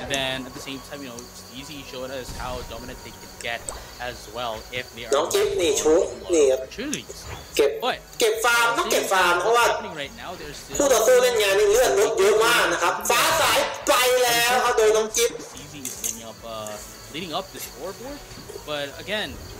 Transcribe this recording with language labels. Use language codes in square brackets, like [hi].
[en] And then at the same time, you know, Easy showed us how dominant they can get as well if they are. [th] น้องจิ๊บนี่ชูนี่ครับเก็บฟาร์มต้องเก็บฟาร์มเพราะว่าผู้ต่อสู้เล่นงานนี่เลือดลดเยอะมากนะครับฟ้าสายไปแล้วครับโดยน้องจิ๊บ [en] Easy is leading up, leading up the scoreboard, but again.